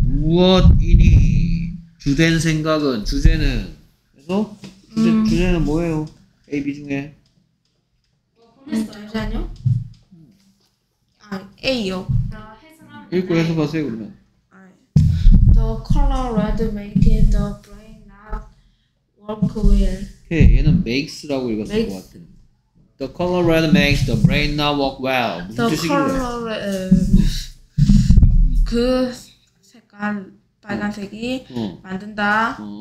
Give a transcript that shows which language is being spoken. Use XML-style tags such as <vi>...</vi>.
<en>What is</en> <ko>주된 생각은 주제는 그래서 주제는 뭐예요? A, B 중에 뭐 보냈어요? 잠시만요. 아 A요. 읽고 해석하세요 그러면.</ko> <en>The color red makes the brain not work well.</en> <ko>오케이 okay, 얘는 makes라고 읽었을 makes. 것 같은데.</ko> <en>The color red makes the brain not work well. The color</en> <ko>그 색깔 빨간색이 만든다.</ko>